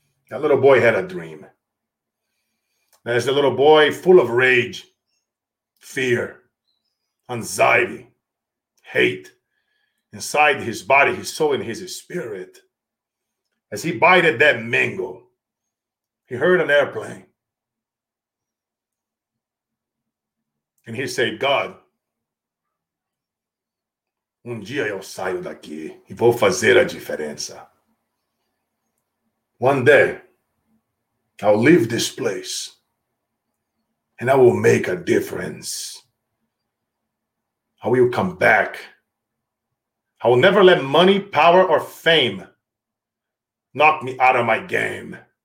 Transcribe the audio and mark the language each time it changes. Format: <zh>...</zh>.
<en>That little boy had a dream. There's a little boy full of rage, fear, anxiety, hate inside his body, his soul, and his spirit. As he bited that mango, He heard an airplane. And he said, God,</en> <pt>dia eu saio daqui e vou fazer a diferença.</pt> <en>One day, I'll leave this place and I will make a difference. I will come back. I will never let money, power, or fame knock me out of my game.</en>